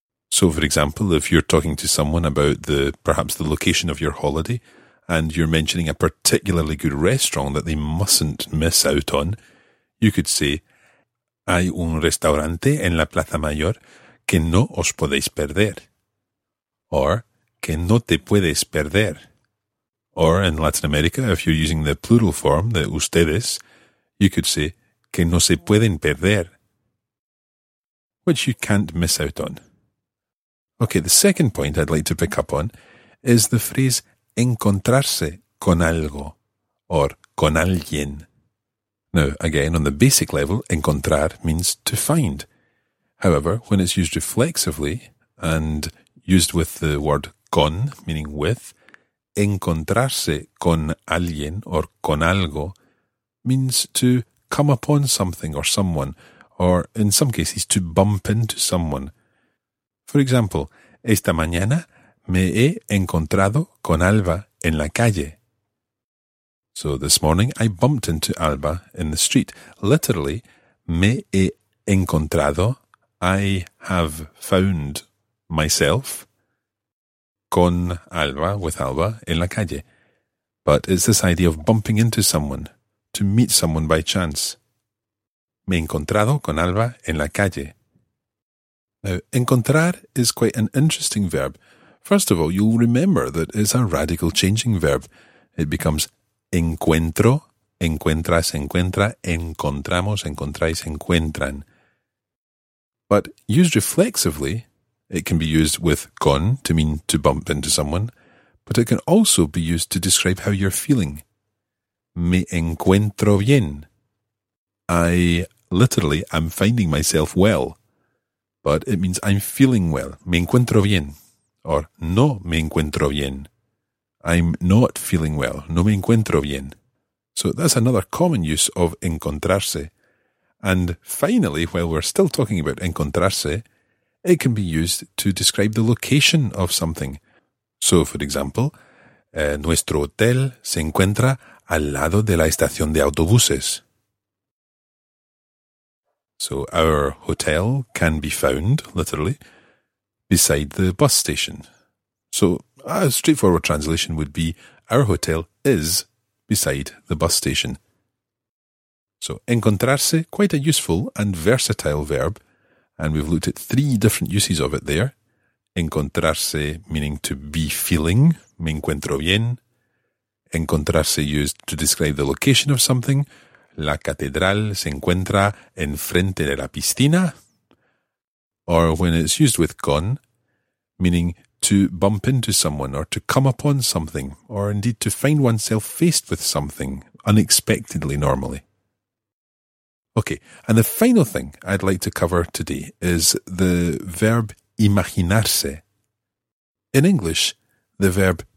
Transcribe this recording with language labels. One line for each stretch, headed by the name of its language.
English: So, for example, if you're talking to someone about perhaps the location of your holiday, and you're mentioning a particularly good restaurant that they mustn't miss out on, you could say,
Spanish: hay un restaurante en la Plaza Mayor que no os podéis perder. Or, que no te puedes perder.
English: Or, in Latin America, if you're using the plural form, the ustedes, you could say,
Spanish: que no se pueden perder.
English: Which you can't miss out on. Okay, the second point I'd like to pick up on is the phrase
Spanish: encontrarse con algo,
English: or con alguien. Now, again, on the basic level, encontrar means to find. However, when it's used reflexively, and used with the word con, meaning with,
Spanish: encontrarse con alguien
English: or con algo means to come upon something or someone, or in some cases to bump into someone. For example,
Spanish: esta mañana me he encontrado con Alba en la calle.
English: So this morning I bumped into Alba in the street. Literally,
Spanish: me he encontrado,
English: I have found myself,
Spanish: con Alba,
English: with Alba,
Spanish: en la calle.
English: But it's this idea of bumping into someone, to meet someone by chance.
Spanish: Me he encontrado con Alba en la calle.
English: Now, encontrar is quite an interesting verb. First of all, you'll remember that it's a radical changing verb. It becomes
Spanish: encuentro, encuentras, encuentra, encontramos, encontráis, encuentran.
English: But used reflexively, it can be used with con to mean to bump into someone, but it can also be used to describe how you're feeling.
Spanish: Me encuentro bien.
English: I literally am finding myself well, but it means I'm feeling well.
Spanish: Me encuentro bien.
English: Or
Spanish: no me encuentro bien.
English: I'm not feeling well.
Spanish: No me encuentro bien.
English: So that's another common use of encontrarse. And finally, while we're still talking about encontrarse, it can be used to describe the location of something. So, for example,
Spanish: nuestro hotel se encuentra al lado de la estación de autobuses.
English: So, our hotel can be found, literally, beside the bus station. So, a straightforward translation would be, our hotel is beside the bus station. So, encontrarse, quite a useful and versatile verb. And we've looked at three different uses of it there. Encontrarse, meaning to be feeling,
Spanish: me encuentro bien.
English: Encontrarse used to describe the location of something. La catedral se encuentra enfrente de la piscina. Or when it's used with con, meaning to bump into someone or to come upon something, or indeed to find oneself faced with something unexpectedly normally. Okay, and the final thing I'd like to cover today is the verb imaginarse. In English, the verb